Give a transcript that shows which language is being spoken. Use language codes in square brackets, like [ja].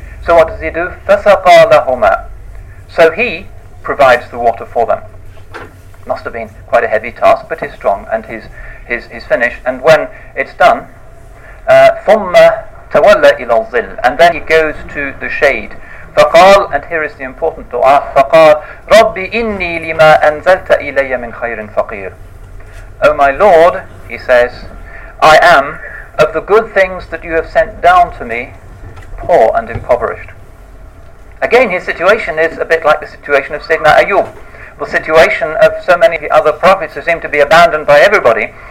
[en] So what does he do? [ar] فَسَقَى لَهُمَا. [en] So he provides the water for them. Must have been quite a heavy task, but he's strong and he's finished. And when it's done, [ar] ثُمَّ تَوَلَّ إِلَى الظِّلِّ, [en] and then he goes to the shade. [ar] فَقَالَ, [en] and here is the important dua, [ar] فَقَالَ رَبِّ إِنِّي لِمَا أَنزَلْتَ إِلَيَّ مِنْ خَيْرٍ فَقِيرٍ. [en] O my Lord, he says, I am, of the good things that you have sent down to me, poor and impoverished. Again, his situation is a bit like the situation of Sayyidina Ayyub. The situation of so many of the other prophets who seem to be abandoned by everybody.